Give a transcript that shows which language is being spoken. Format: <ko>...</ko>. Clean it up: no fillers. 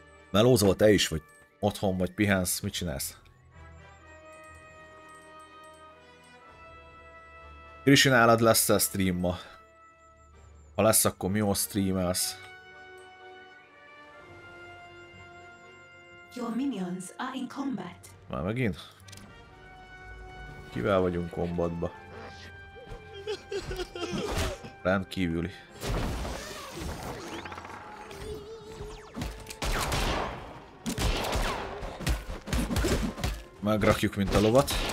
<hu>Melózol te is, vagy otthon, vagy pihensz, mit csinálsz? Krisi, nálad lesz a stream ma? Ha lesz, akkor mi jól streamelsz?</hu> <en>Your minions are in combat.</en> <hu>Már megint? Kivel vagyunk kombatba? Rendkívüli. Megrakjuk, mint a lovat.</hu>